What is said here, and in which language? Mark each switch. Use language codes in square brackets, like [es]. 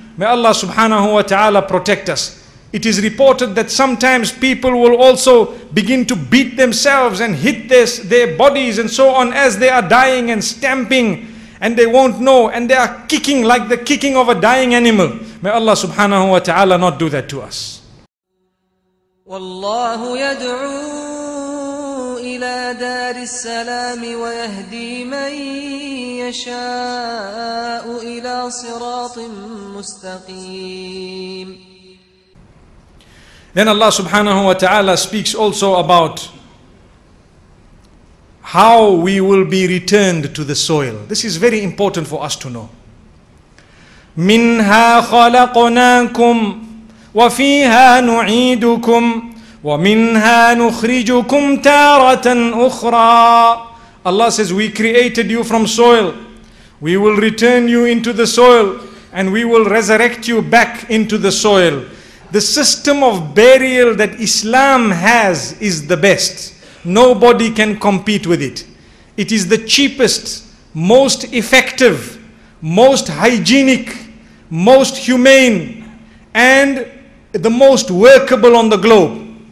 [en] May Allah subhanahu wa ta'ala protect us. It is reported that sometimes people will also begin to beat themselves and hit their bodies and so on as they are dying and stamping, and they won't know, and they are kicking like the kicking of a dying animal. May Allah subhanahu wa ta'ala not do that to us. [ar] Wallahu yad'u إلى دار السلام ويهدي من يشاء إلى صراط مستقيم. [en] Then Allah subhanahu wa ta'ala speaks also about how we will be returned to the soil. This is very important for us to know. [ar] منها خلقناكم وفيها نعيدكم وَمِنْهَا نُخْرِجُكُمْ تَارَةً أُخْرَى. [en] Allah says, we created you from soil. We will return you into the soil, and we will resurrect you back into the soil. The system of burial that Islam has is the best. Nobody can compete with it. It is the cheapest, most effective, most hygienic, most humane, and the most workable on the globe.